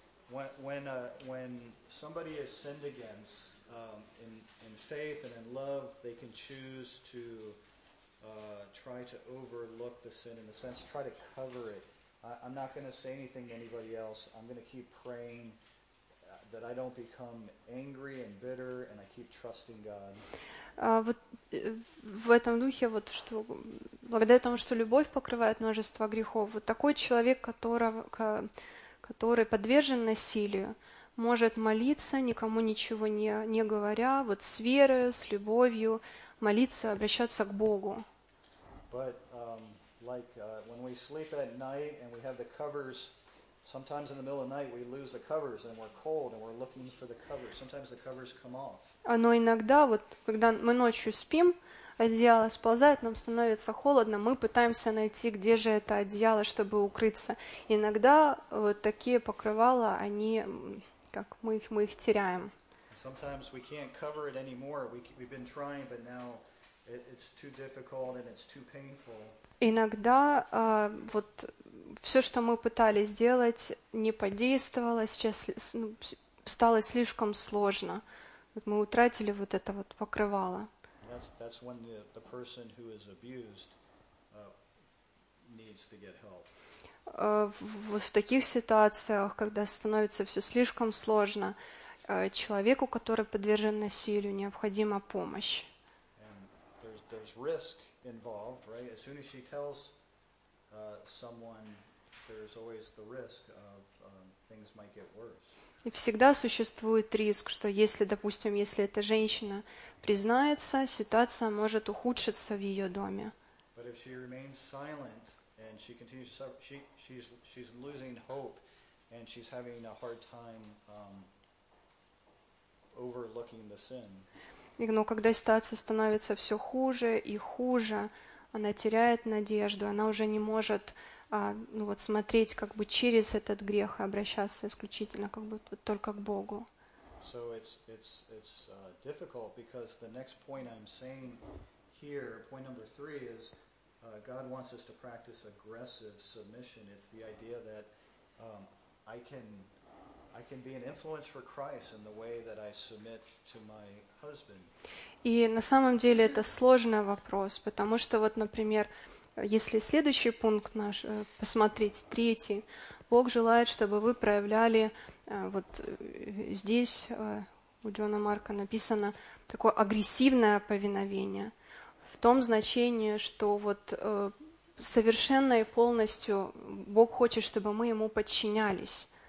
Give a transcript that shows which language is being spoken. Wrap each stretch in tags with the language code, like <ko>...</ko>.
<en>When somebody is sinned against in faith and in love, they can choose to try to overlook the sin, in a sense, try to cover it. I'm not going to say anything to anybody else. I'm going to keep praying that I don't become angry and bitter, and I keep trusting God.</en> <ru>Вот в этом духе, вот что благодаря тому, что любовь покрывает множество грехов, вот такой человек, который подвержен насилию, может молиться, никому ничего не говоря, вот с верою, с любовью, молиться, обращаться к Богу.</ru> <en>But, when we sleep at night and we have the covers, sometimes in the middle of the night we lose the covers and we're cold and we're looking for the covers. Sometimes the covers come off.</en> <ru>Но иногда, вот, когда мы ночью спим, одеяло сползает, нам становится холодно, мы пытаемся найти, где же это одеяло, чтобы укрыться. Иногда вот такие покрывала, они, как мы их теряем.</ru> <en>Sometimes we can't cover it anymore. We've been trying, but now it's too difficult and it's too painful.</en> <ru>Иногда вот все, что мы пытались сделать, не подействовало, сейчас стало слишком сложно. Мы утратили вот это вот покрывало.</ru> <en>That's when the person who is abused needs to get help.</en> <ru>Вот в таких ситуациях, когда становится все слишком сложно, человеку, который подвержен насилию, необходима помощь.</ru> <en>And there's risk involved, right? As soon as she tells someone, there's always the risk of things might get worse.</en> <ru>И всегда существует риск, что если, допустим, если эта женщина признается, ситуация может ухудшиться в ее доме.</ru> <en>But if she remains silent and she continues to suffer, she's losing hope and she's having a hard time overlooking the sin.</en> <ru>Но когда ситуация становится все хуже и хуже, она теряет надежду, она уже не может смотреть как бы через этот грех и обращаться исключительно как бы вот, только к Богу.</ru> <en>So it's difficult because the next point I'm saying here, point number three, is God wants us to practice aggressive submission. It's the idea that I can be an influence for Christ in the way that I submit to my husband.</en> <ru>И на самом деле это сложный вопрос, потому что вот, например, если следующий пункт наш посмотреть, третий, Бог желает, чтобы вы проявляли, вот здесь у Джона Марка написано такое агрессивное повиновение, в том значении, что вот совершенно и полностью Бог хочет, чтобы мы ему подчинялись.</ru>